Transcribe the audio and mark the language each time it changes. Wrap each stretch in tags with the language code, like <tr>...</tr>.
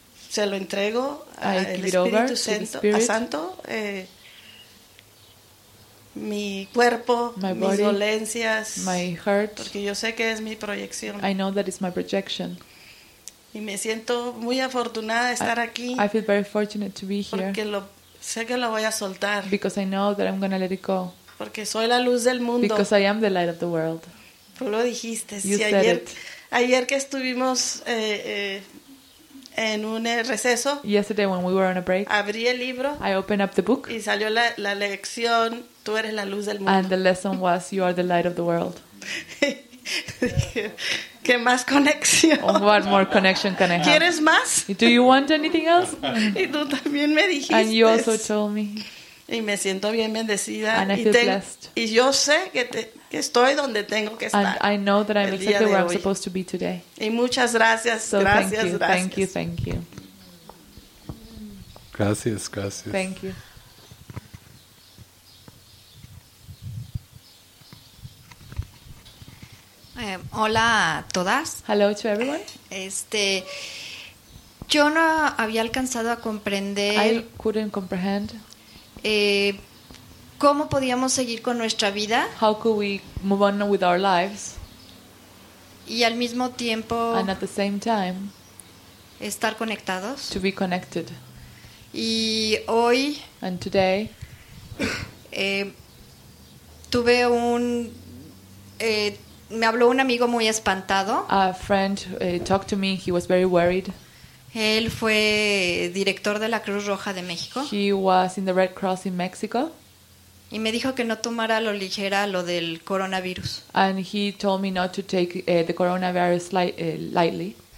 <es>se lo entrego al Espíritu Santo,</es> <en>Spirit,</en> <es>a Santo. Mi cuerpo,</es> <en>my</en> <es>mis</es> <en>body,</en> <es>dolencias,</es> <en>my heart,</en> <es>porque yo sé que es mi proyección.</es> <en>I know that it's my projection.</en> <es>Y me siento muy afortunada de estar aquí.</es> <en>I feel very fortunate to be here.</en> <es>Porque sé que lo voy a soltar.</es> <en>Because I know that I'm going to let it go.</en> <es>Porque soy la luz del mundo.</es> <en>Because I am the light of the world.</en> <es>Tú lo dijiste.</es> <en>You said</en> <es>ayer,</es> <en>it.</en> <es>Ayer que estuvimos en un receso.</es> <en>Yesterday when we were on a break.</en> <es>Abrí el libro.</es> <en>I opened up the book.</en> <es>Y salió la lección. Tú eres la luz del mundo.</es> <en>And the lesson was, you are the light of the world.</en> <es>¿Qué más conexión?</es> <en>What more connection can I have?</en> <es>¿Quieres más?</es> <en>Do you want anything else?</en> <es>Y tú también me dijiste.</es> <en>And you also told me.</en> <es>Y me siento bien bendecida.</es> <en>And I feel blessed.</en> <es>Y yo sé que estoy donde tengo que estar.</es> <en>And I know that I'm exactly where I'm supposed to be today.</en> <es>Y muchas gracias.</es> <en>So</en> <es>gracias,</es> <en>thank you,</en> <es>gracias.</es> <en>Thank you, thank you.</en> <es>Gracias, gracias.</es> <en>Thank you.</en> <es>Hola a todas.</es> <en>Hello to everyone.</en> <es>Yo no había alcanzado a comprender.</es> <en>I couldn't comprehend.</en> <es>¿Cómo podíamos seguir con nuestra vida?</es> <en>How could we move on with our lives?</en> <es>Y al mismo tiempo.</es> <en>And at the same time.</en> <es>Estar conectados.</es> <en>To be connected.</en> <es>Y hoy.</es> <en>And today.</en> <es>Tuve un. Me habló un amigo muy espantado.</es> <en>A friend talked to me. He was very worried.</en> <es>Él fue director de la Cruz Roja de México.</es> <en>He was in the Red Cross in Mexico.</en> <es>Y me dijo que no tomara lo ligera lo del coronavirus.</es> <en>And he told me not to take the coronavirus lightly.</en>